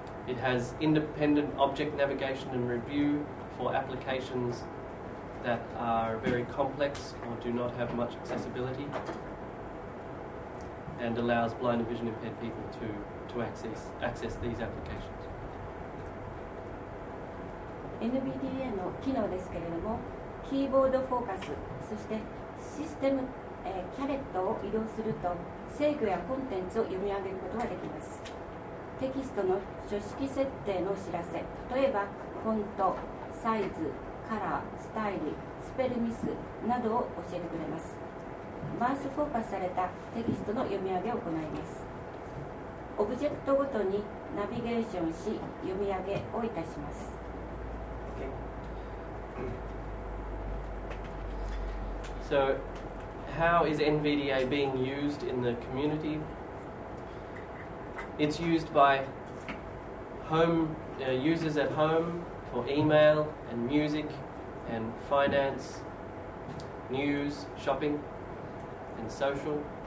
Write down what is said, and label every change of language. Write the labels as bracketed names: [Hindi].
[English] It has independent object navigation and review for applications that are very complex or do not have much accessibility, and allows blind and vision impaired people to access these applications. [Japanese] NVDA の機能ですけれども、キーボードフォーカス、そしてシステム、キャレットを移動すると、制御やコンテンツを読み上げることができます。テキストの書式設定の知らせ、例えばフォント、サイズ、カラー、スタイル、スペルミスなどを教えてくれます。マウスフォーカスされたテキストの読み上げを行います。オブジェクトごとにナビゲーションし、読み上げをいたします。 [English] So, how is NVDA being used in the community? It's used by users at home for email and music and finance, news, shopping, and social.